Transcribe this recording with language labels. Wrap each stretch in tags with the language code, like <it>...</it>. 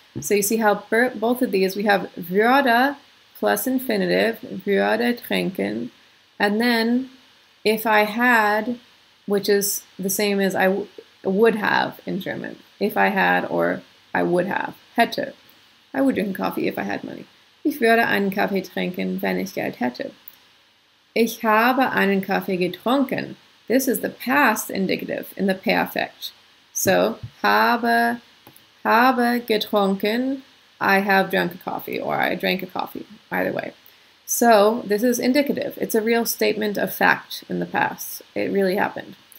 <en>So you see how both of these, we have würde plus infinitive, würde trinken, and then if I had, which is the same as I would have in German, if I had or I would have, hätte. I would drink a coffee if I had money.</en> <de>Ich würde einen Kaffee trinken, wenn ich Geld hätte. Ich habe einen Kaffee getrunken.</de> <en>This is the past indicative in the perfect. So, habe getrunken, I have drunk a coffee, or I drank a coffee, either way. So, this is indicative. It's a real statement of fact in the past. It really happened.</en>